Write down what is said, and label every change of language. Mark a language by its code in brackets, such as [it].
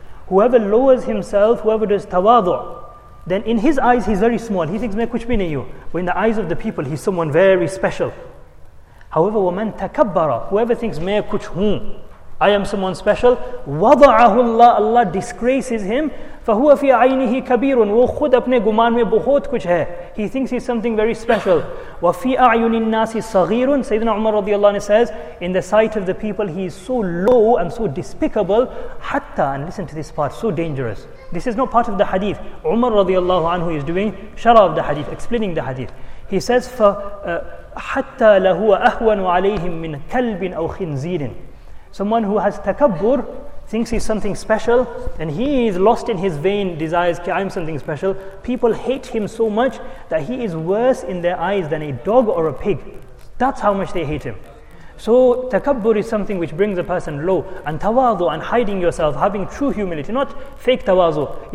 [en] Whoever lowers himself, whoever does tawadu, then in his eyes he's very small. He thinks, [ur] "Main kuch bhi nahi hu." [en] But in the eyes of the people, he's someone very special. However, [ar] وَمَن تَكَبَّرَ, [en] whoever thinks, [ur] "Main kuch hoon, [en] I am someone special," [ar] وَضَعَهُ اللَّهُ, [en] Allah disgraces him. [ar] فَهُوَ فِي عَيْنِهِ كَبِيرٌ, [ur] وہ خود اپنے گمان میں بہت کچھ ہے. [en] He thinks he's something very special. [ar] وَفِي أَعْيُنِ النَّاسِ صَغِيرٌ, [en] Sayyidina Umar رضي الله عنه says, in the sight of the people, he is so low and so despicable. حَتَّى, and listen to this part, so dangerous. This is not part of the hadith. Umar رضي الله عنه is doing sharah of the hadith, explaining the hadith. He says, [ar] حَتَّى لَهُوَ أَهْوَنُ عَلَيْهِمْ مِنْ كَلْبٍ أَوْ خِنْزِيرٍ. [en] Someone who has takabbur, thinks he's something special, and he is lost in his vain desires, "Ki I'm something special." People hate him so much that he is worse in their eyes than a dog or a pig. That's how much they hate him. So takabbur is something which brings a person low. And tawadu, and hiding yourself, having true humility, not fake tawadu.